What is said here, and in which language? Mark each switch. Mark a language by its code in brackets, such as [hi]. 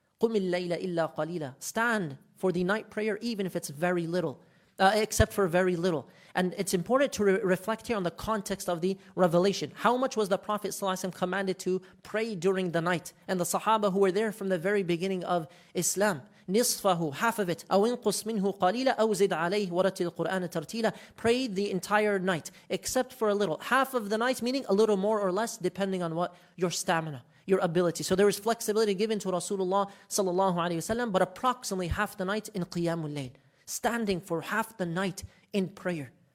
[ar] Qum illayla illa qalila. [en] Stand for the night prayer, even if it's very little, except for very little. And it's important to reflect here on the context of the revelation. How much was the Prophet ﷺ commanded to pray during the night? And the Sahaba who were there from the very beginning of Islam. Nisfahu, half of it. [ar] أو انقص منه قليلا أو زد عليه ورتل القرآن ترتيلا. [en] Pray the entire night, except for a little. Half of the night, meaning a little more or less, depending on what your stamina, your ability. So there is flexibility given to Rasulullah sallallahu alaihi wasallam, but approximately half the night in Qiyamul Layl, standing for half the night in prayer.